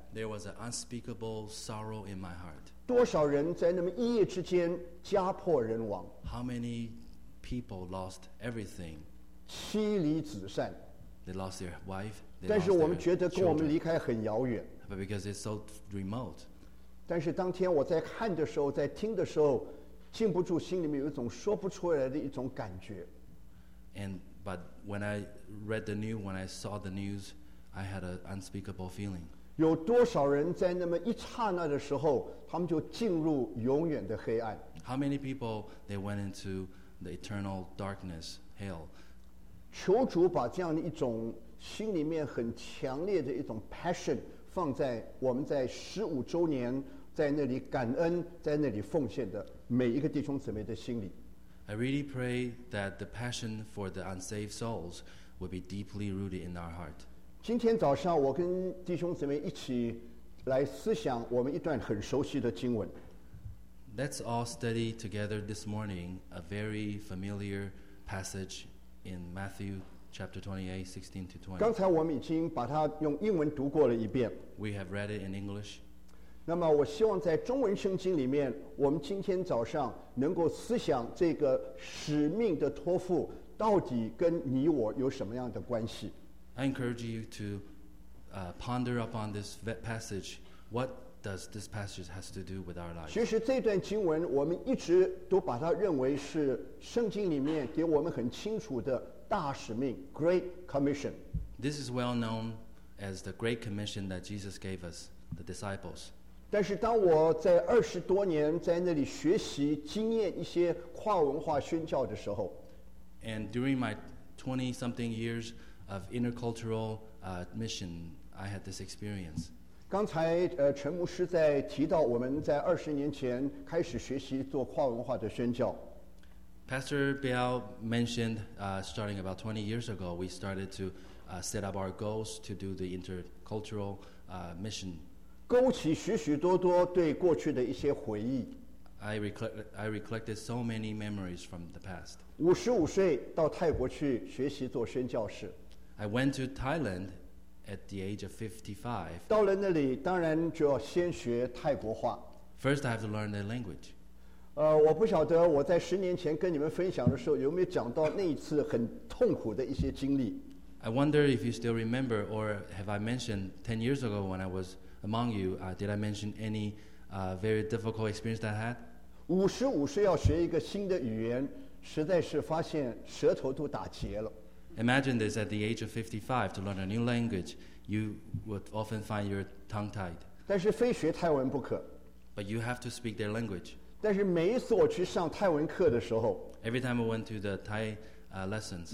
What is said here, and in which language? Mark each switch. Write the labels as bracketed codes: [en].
[en] There was an unspeakable sorrow in my heart. [zh] 多少人在那么一夜之间家破人亡 [en] ？How many people lost everything? [zh] 妻离子散。 [en] They lost their wife. [zh] 但是我们觉得跟我们离开很遥远。 [en] But because it's so remote. [zh] 但是当天我在看的时候，在听的时候。禁不住心里面有一种说不出来的一种感觉。 [en] And but when I read the news, when I saw the news, I had an unspeakable feeling. [zh] 有多少人在那么一刹那的时候，他们就进入永远的黑暗 [en] ？How many people they went into the eternal darkness, hell? [zh] 求主把这样的一种心里面很强烈的一种 passion 放在我们在十五周年。在那里感恩，在那里奉献的每一个弟兄姊妹的心里。 [en] I really pray that the passion for the unsaved souls will be deeply rooted in our heart. [zh] 今天早上我跟弟兄姊妹一起来思想我们一段很熟悉的经文。 [en] Let's all study together this morning a very familiar passage in Matthew chapter 28, 16 to 20. [zh] 刚才我们已经把它用英文读过了一遍。 [en] We have read it in English. [zh] 那么我希望在中文圣经里面我们今天早上能够思想这个使命的托付到底跟你我有什么样的关系 [en] I encourage you to ponder upon this passage What does this passage has to do with our lives [zh] 其实这段经文我们一直都把它认为是圣经里面给我们很清楚的大使命 Great Commission [en] This is well known as the Great Commission that Jesus gave us the disciples [zh] 但是当我在二十多年在那里学习经验一些跨文化宣教的时候 [en] And during my 20 something years of intercultural mission I had this experience [zh] 刚才陈牧师在提到我们在二十年前开始学习做跨文化的宣教 [en] Pastor Biao mentioned starting about 20 years ago we started to set up our goals to do the intercultural mission [zh] 勾起许许多多对过去的一些回忆。 [en] I recollected so many memories from the past. [zh] 五十五岁到泰国去学习做宣教士。 [en] I went to Thailand at the age of 55. [zh] 到了那里，当然就要先学泰国话。 [en] First, I have to learn the language. [zh] 我不晓得我在十年前跟你们分享的时候有没有讲到那一次很痛苦的一些经历。 [en] I wonder if you still remember, or have I mentioned 10 years ago when I was Among you, did I mention any very difficult experience that I had? [zh] 五十五岁要学一个新的语言，实在是发现舌头都打结了。 [en] Imagine this at the age of 55 to learn a new language, you would often find your tongue tied. [zh] 但是非学泰文不可。 [en] But you have to speak their language. [zh] 但是每一次我去上泰文课的时候 [en] ，Every time I went to the Thai lessons.